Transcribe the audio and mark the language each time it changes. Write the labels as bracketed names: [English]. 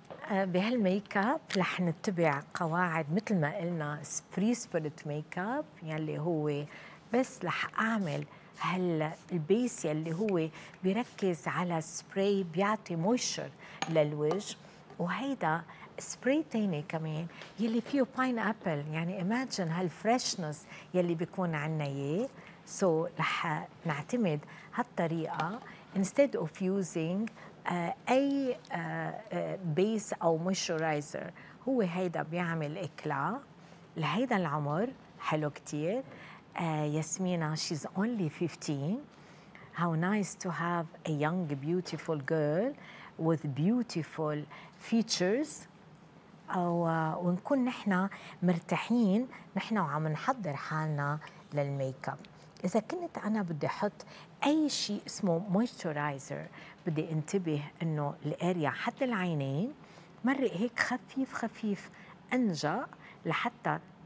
[Arabic] بهالميك اب رح نتبع قواعد مثل ما قلنا فري سبيريت ميك اب، يلي هو بس رح اعمل هالبيس يلي هو بيركز على سبراي بيعطي مويشر للوجه، وهيدا سبراي تاني كمان يلي فيه باين أبل، يعني إماجن هالفريشنس يلي بيكون عنا إياه. سو رح نعتمد هالطريقة [English] instead of using [Arabic] أي بيس أو مويشورايزر. هو هيدا بيعمل إكلا لهيدا العمر حلو كتير. [English] Yasmina she's only 15. How nice to have a young beautiful girl with beautiful features. [Arabic] ونكون نحنا مرتاحين نحنا وعم نحضر حالنا للميك اب. إذا كنت أنا بدي أحط أي شيء اسمه مويسترايزر، بدي انتبه إنه الأريا حد العينين مرق هيك خفيف خفيف أنجأ، لحتى